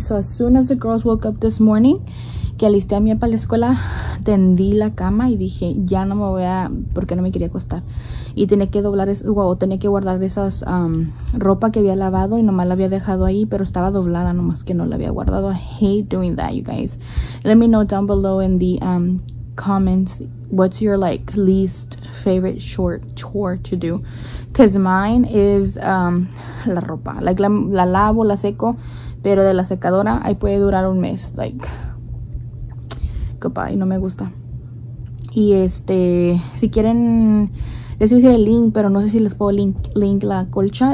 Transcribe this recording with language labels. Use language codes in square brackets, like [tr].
[en] So as soon as the girls woke up this morning, [es] que alisté a mí para la escuela, tendí la cama y dije, ya no me voy a, porque no me quería acostar. Y tenía que doblar, tenía que guardar esas ropa que había lavado y nomás la había dejado ahí, pero estaba doblada nomás que no la había guardado. [en] I hate doing that, you guys. Let me know down below in the comments, what's your like least favorite chore to do? Because mine is [es] la ropa. Like la lavo, la seco, pero de la secadora ahí puede durar un mes. Like, y no me gusta. Y si quieren, les voy a decir el link, pero no sé si les puedo link la colcha.